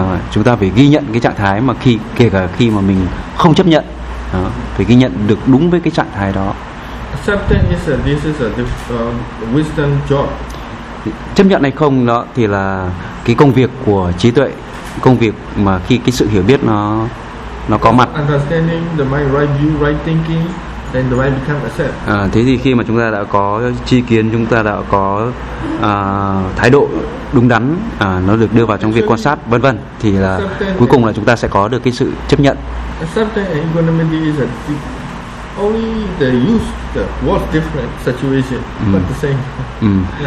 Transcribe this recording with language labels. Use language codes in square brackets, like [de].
[vi] Chúng ta phải ghi nhận cái trạng thái mà khi kể cả khi mà mình không chấp nhận, phải ghi nhận được đúng với cái trạng thái đó. [en] Accepting is this is a wisdom job. [vi] Chấp nhận hay không đó thì là cái công việc của trí tuệ, công việc mà khi cái sự hiểu biết nó có mặt. [en] Understanding the mind, right view, right thinking, then the mind become accept. [vi] Thế thì khi mà chúng ta đã có tri kiến, chúng ta đã có thái độ đúng đắn, nó được đưa vào trong việc quan sát, vân vân, thì là cuối cùng là chúng ta sẽ có được cái sự chấp nhận. [en] Accepting and equanimity is a only the use the word different situation, but the same.